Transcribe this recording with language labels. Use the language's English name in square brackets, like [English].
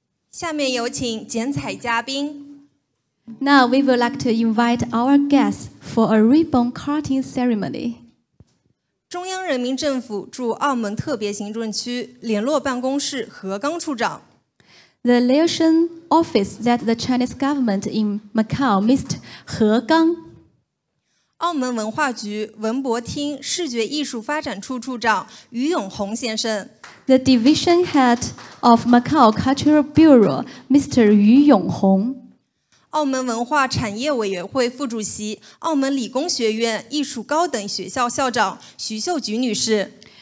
[Chinese] 下面有请剪彩嘉宾。 [English] Now we would like to invite our guests for a ribbon cutting ceremony. [Chinese] 中央人民政府驻澳门特别行政区联络办公室何刚处长。 [English] The liaison office that the Chinese government in Macau, Mr. [Chinese] 何刚。澳门文化局文博厅视觉艺术发展处处长于永红先生。 [English] The division head of Macau Cultural Bureau, Mr. [Chinese] 于永红。澳门文化产业委员会副主席、澳门理工学院艺术高等学校校长徐秀菊女士。